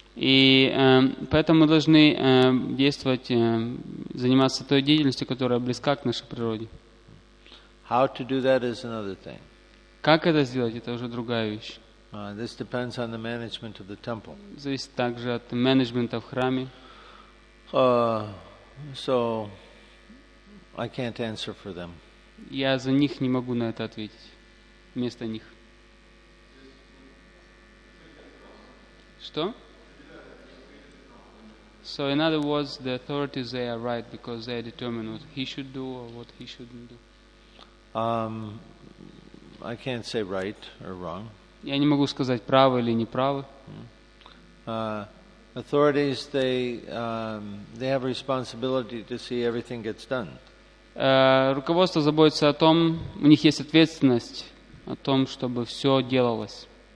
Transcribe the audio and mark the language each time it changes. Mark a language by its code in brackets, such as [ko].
[ru] И поэтому мы должны действовать, заниматься той деятельностью, которая близка к нашей природе. [en] How to do that is another thing. [ru] Как это сделать, это уже другая вещь. [en] This depends on the management of the temple. [ru] Зависит также от менеджмента в храме. [en] So I can't answer for them. [ru] Я за них не могу на это ответить. Вместо них. Что? [en] So in other words, the authorities, they are right because they determine what he should do or what he shouldn't do. I can't say right or wrong. [ru] Я не могу сказать право или неправо. [en] Authorities, they have responsibility to see everything gets done. [ru] Руководство заботится о том, у них есть ответственность о том, чтобы все делалось.